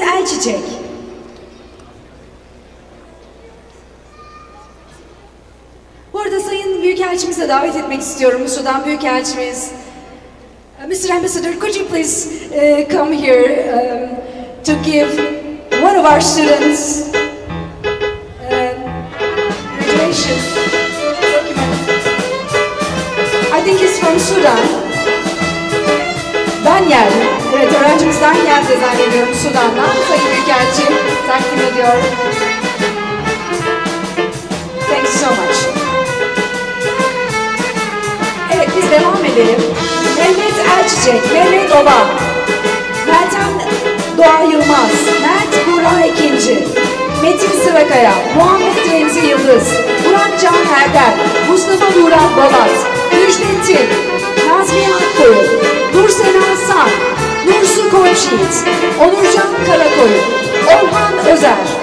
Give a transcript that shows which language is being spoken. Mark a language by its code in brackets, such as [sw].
[tr] Çiçek. Bu arada Sayın Büyükelçimize davet etmek istiyorum. Sudan Büyükelçimiz. Mr. [en] Ambassador, could you please come here to give one of our students graduation document? I think he's from Sudan. Daniel. [tr] Evet, öğrencimiz Daniel de zannediyorum Sudan'dan. Sayın Büyükelçi takdim ediyor. [en] Thank you so much. [tr] Evet, biz devam edelim. Mehmet Elçiçek, Mehmet Oba, Meltem Doğa Yılmaz, Mert Burak İkinci, Metin Sırakaya, Muhammed Remzi Yıldız, Burak Can Erder, Mustafa Burak Babat, Müjdettin, Nazmi Akkoyu, Nursel Asan, Nursu Koçyiğit, Onurcan Karakoyu, Orhan Özer,